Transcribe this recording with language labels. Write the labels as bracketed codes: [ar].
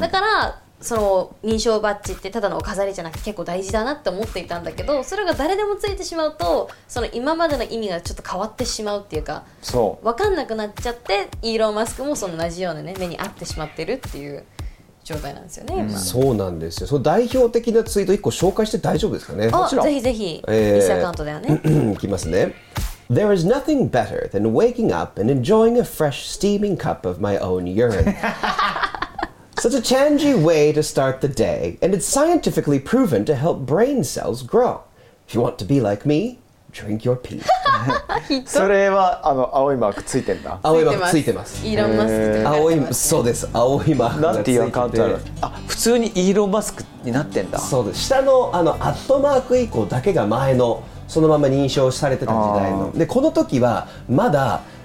[ja] だからその認証バッジってただのお飾りじゃなくて結構大事だなって思っていたんだけど、それが誰でもついてしまうとその今までの意味がちょっと変わってしまうっていうか、そう分かんなくなっちゃって、イーロン・マスクもその同じようなね目に遭ってしまってるっていう状態なんですよね、うん、そうなんですよ。その代表的なツイート1個紹介して大丈夫ですかね。もちろんぜひぜひ、リスアカウントだよね、いきますね。 [en] There is nothing better than waking up and enjoying a fresh steaming cup of my own urine. Such a changey way to start the day, and it's scientifically proven to help brain cells grow. If you want to be like me, drink your pee. [ja] それはあの青いマークついてんだ。青いマークついてます。イーロンマスクって書いてます、ね、青い、そうです。青いマークがついてて。なんていうアカウント？あ、普通にイーロンマスクになってんだ。そうです。下のあのアットマーク以降だけが前のそのまま認証されてた時代の。で、この時はまだ